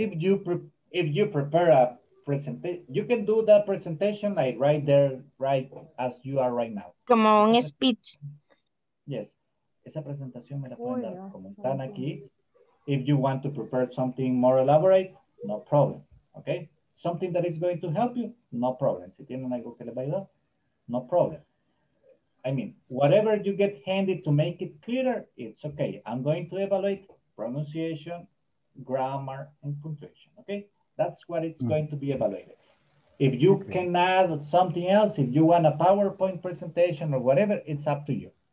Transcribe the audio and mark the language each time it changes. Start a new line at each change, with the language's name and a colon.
English: If you prepare a presentation, you can do that presentation like right there, right as you are right now.
Spanish: Como un speech.
English: Yes.
Spanish: Esa presentación me la pueden dar como están aquí.
English: If you want to prepare something more elaborate, no problem. Okay. Something that is going to help you, no problem.
Spanish: Si tienen algo que les va a ayudar,
English: no problem. I mean, whatever you get handed to make it clearer, it's okay. I'm going to evaluate pronunciation, grammar, and punctuation. Okay? That's what it's going to be evaluated. If you can add something else, if you want a PowerPoint presentation or whatever, it's up to you.